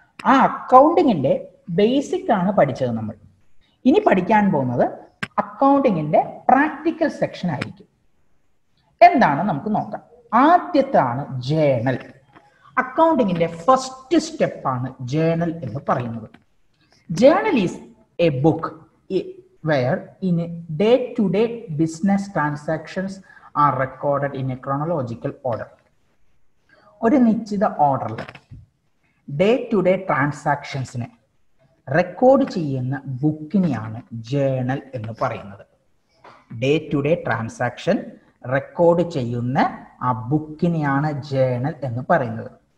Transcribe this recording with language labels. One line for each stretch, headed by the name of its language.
Malayalam: ആ അക്കൗണ്ടിങ്ങിൻ്റെ ബേസിക് ആണ് പഠിച്ചത് നമ്മൾ. ഇനി പഠിക്കാൻ പോകുന്നത് അക്കൗണ്ടിങ്ങിൻ്റെ പ്രാക്ടിക്കൽ സെക്ഷൻ ആയിരിക്കും. എന്താണ് നമുക്ക് നോക്കാം. ആദ്യത്താണ് ജേണൽ. അക്കൗണ്ടിങ്ങിൻ്റെ ഫസ്റ്റ് സ്റ്റെപ്പാണ് ജേണൽ എന്ന് പറയുന്നത്.
English: Journal is a book where in day-to-day business transactions are recorded in a chronological order.
Malayalam: ഒരു നിശ്ചിത ഓർഡറിൽ ഡേ ടു ഡേ ട്രാൻസാക്ഷൻസിനെ റെക്കോർഡ് ചെയ്യുന്ന ബുക്കിനെയാണ് ജേണൽ എന്ന് പറയുന്നത്. Day to day transaction record ചെയ്യുന്ന ആ ബുക്കിനെയാണ് ജേണൽ എന്ന് പറയുന്നത്.